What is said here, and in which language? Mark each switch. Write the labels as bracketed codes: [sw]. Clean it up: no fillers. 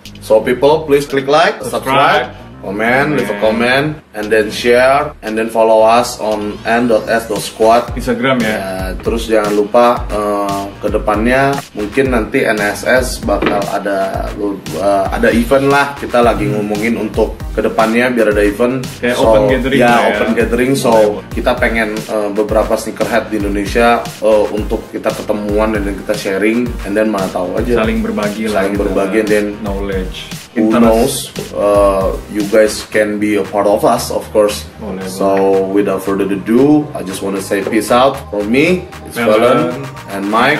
[en] So people, please click like, subscribe, comment, leave a comment, and then share, and then follow us on n.s.squad [id] Instagram ya. Terus jangan lupa kedepannya mungkin nanti NSS bakal ada event lah, kita lagi ngomongin untuk kedepannya biar ada event [en] kayak so, open gathering ya, open gathering. [id] So kita pengen beberapa sneakerhead di Indonesia untuk kita ketemuan dan kita sharing, [en] and then [id] mana tahu aja saling berbagi lah, saling berbagi, [en] and then knowledge. Who knows, you guys can be a part of us, of course. So without further ado, I just want to say peace out from me, it's Melon, and Mike,